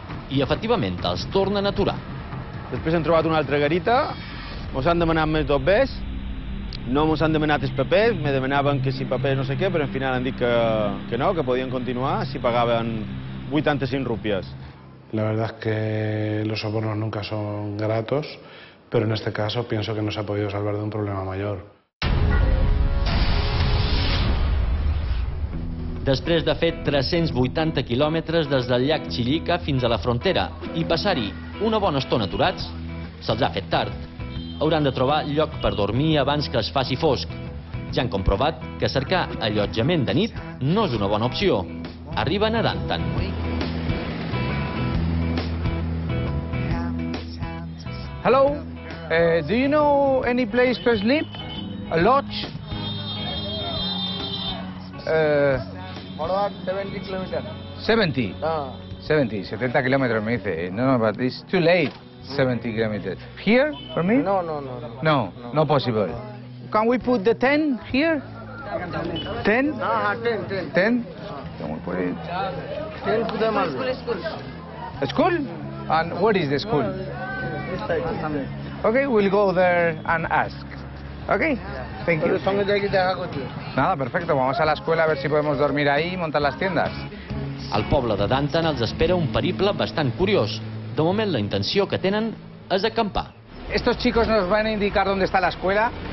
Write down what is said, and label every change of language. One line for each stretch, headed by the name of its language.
Catalan: I efectivament els tornen a aturar. Després hem trobat una altra garita, ens han demanat més doblers, no ens han demanat els papers, me demanaven que si papers no sé què, però al final han dit que no, que podien continuar si pagaven 85 rúpies.
Spanish: La verdad es que los sobornos nunca son gratos, pero en este caso pienso que nos ha podido salvar de un problema mayor.
Catalan: Després de fer 380 quilòmetres des del llac Chillica fins a la frontera i passar-hi una bona estona aturats, se'ls ha fet tard. Hauran de trobar lloc per dormir abans que es faci fosc. Ja han comprovat que cercar allotjament de nit no és una bona opció. Arriben a Dantan.
English: Hello, do you know any place to sleep? A lodge? What about 70 kilometers? 70? 70, 70 kilometers,
Spanish: me dice.
English: No, no, but it's too late, 70 kilometers. Here, for me? No, no, no. No, no possible. Can we put the 10 here? 10? No, 10, 10. 10? Can we put it? 10 to the school. A school? And where is the school? Okay, we'll go there and ask. Okay, thank you.
Spanish: Nada, perfecto. Vamos a la escuela a ver si podemos dormir ahí y montar las tiendas.
Catalan: Al poble de Dantan els espera un periple bastant curiós. De moment, la intenció que tenen és acampar.
Spanish: Estos chicos nos van a indicar dónde está la escuela.